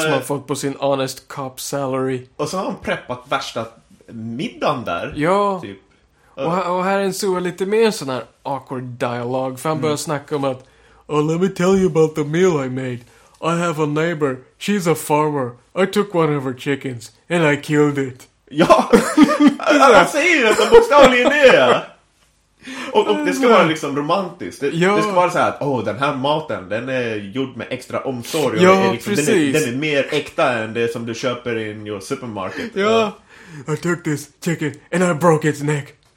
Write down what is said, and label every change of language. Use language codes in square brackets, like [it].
[sv] som har fått på sin [en] honest cop salary. [sv] Och så har han preppat värsta middagen där. Ja. Typ. Och här är en så lite mer sån här awkward dialog. För han börjar snacka om att... [en] oh, let me tell you about the meal I made. I have a neighbor. She's a farmer. I took one of her chickens. And I killed it. [sv] Ja! Han säger ju nästan bokstavligen det. Och det ska vara liksom romantiskt. Det ska vara så här att den här maten, den är gjord med extra omsorg. Ja, är liksom, precis. Den är mer äkta än det som du köper [en] in your supermarket. [sv] Ja. [en] I took this chicken and I broke its neck.